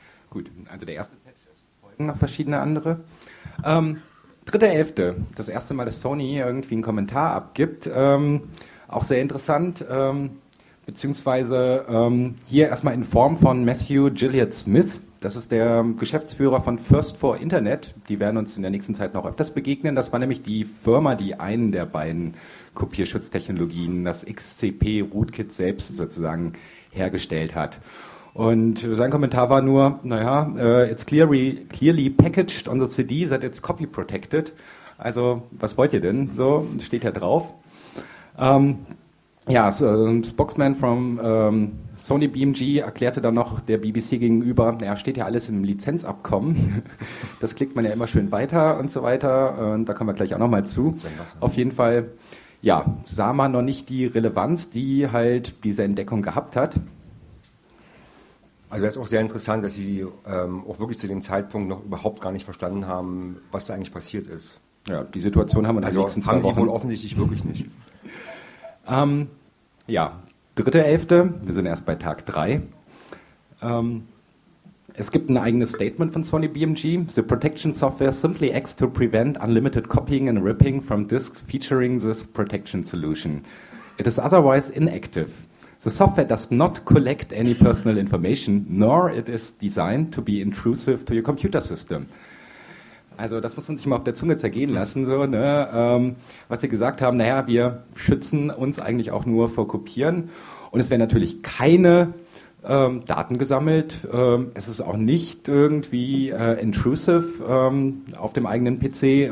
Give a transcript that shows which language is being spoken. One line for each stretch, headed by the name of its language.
German: Gut, also der erste Patch ist, folgen noch verschiedene andere. 3.11., das erste Mal, dass Sony irgendwie einen Kommentar abgibt, auch sehr interessant, beziehungsweise hier erstmal in Form von Matthew Gilliard Smith, das ist der Geschäftsführer von First for Internet, die werden uns in der nächsten Zeit noch öfters begegnen, das war nämlich die Firma, die einen der beiden Kopierschutztechnologien, das XCP Rootkit selbst sozusagen, hergestellt hat. Und sein Kommentar war nur,
English: it's clearly packaged on the CD, that it's copy protected.
German: Also, was wollt ihr denn? So, steht ja drauf.
English: Spokesman from Sony BMG
German: erklärte dann noch der BBC gegenüber, steht ja alles im Lizenzabkommen. Das klickt man ja immer schön weiter und so weiter. Und da kommen wir gleich auch nochmal zu. Auf jeden Fall, sah man noch nicht die Relevanz, die halt diese Entdeckung gehabt hat. Also das ist auch sehr interessant, dass Sie auch wirklich zu dem Zeitpunkt noch überhaupt gar nicht verstanden haben, was da eigentlich passiert ist. Ja, die Situation haben wir also in den nächsten zwei Wochen. Also haben Sie wohl offensichtlich wirklich nicht. 3.11., wir sind erst bei Tag 3. Es gibt ein eigenes Statement von Sony BMG.
English: The protection software simply acts to prevent unlimited copying and ripping from disks featuring this protection solution. It is otherwise inactive. The software does not collect any personal information, nor it is designed to be intrusive to your computer system.
German: Also das muss man sich mal auf der Zunge zergehen lassen. So, ne? Was sie gesagt haben, wir schützen uns eigentlich auch nur vor Kopieren. Und es werden natürlich keine Daten gesammelt. Es ist auch nicht irgendwie intrusive auf dem eigenen PC.